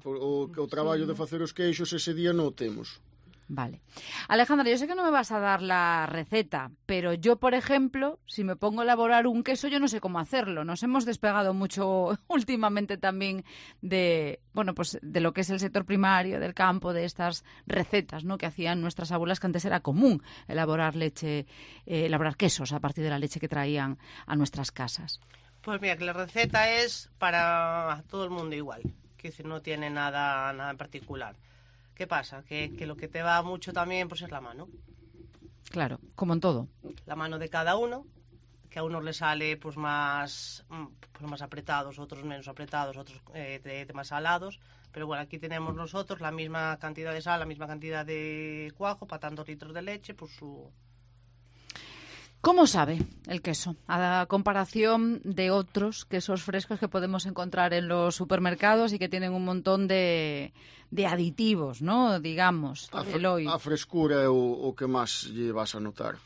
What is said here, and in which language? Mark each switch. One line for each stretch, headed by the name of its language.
Galician: Sí, o traballo de facer os queixos ese día non o temos. Vale.
Spanish: Alejandra, yo sé que no me vas a dar la receta, pero yo, por ejemplo, si me pongo a elaborar un queso, yo no sé cómo hacerlo. Nos hemos despegado mucho últimamente también de lo que es el sector primario, del campo, de estas recetas, ¿no?, que hacían nuestras abuelas, que antes era común elaborar leche, elaborar quesos a partir de la leche que traían a nuestras casas. Pues mira, que la receta es para todo el mundo igual, que no tiene nada en particular. ¿Qué pasa? Que lo que te va mucho también pues es la mano. Claro, como en todo. La mano de cada uno, que a unos les sale pues más apretados, otros menos apretados, otros más salados. Pero bueno, aquí tenemos nosotros la misma cantidad de sal, la misma cantidad de cuajo, para tantos litros de leche, pues su... ¿Cómo sabe el queso? A la comparación de otros quesos frescos que podemos encontrar en los supermercados y que tienen un montón de aditivos, ¿no? Digamos,
Galician: A frescura é o que máis lle vas a notar.